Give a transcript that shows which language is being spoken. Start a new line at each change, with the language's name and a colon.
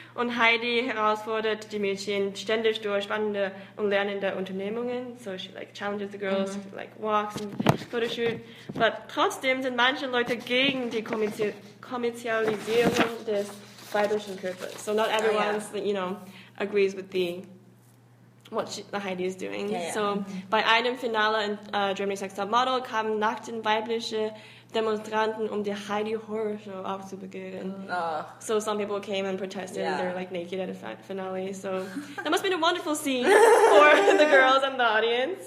German: Und Heidi herausfordert die Mädchen ständig durch spannende und lernende Unternehmungen.
English: So she like challenges the girls to like walks and photoshoot.
German: But trotzdem sind manche Leute gegen die Kommerzialisierung des weiblichen Körpers.
English: So not everyone's, you know, agrees with the what Heidi is doing. Yeah, yeah. So mm-hmm.
German: bei einem Finale in Germany's Next Top Model kamen nackten weibliche Demonstranten, um die Heidi Horror Show aufzubegehren.
English: So some people came and protested, yeah. and they're like naked at a finale. So that must have been a wonderful scene for the girls and the audience.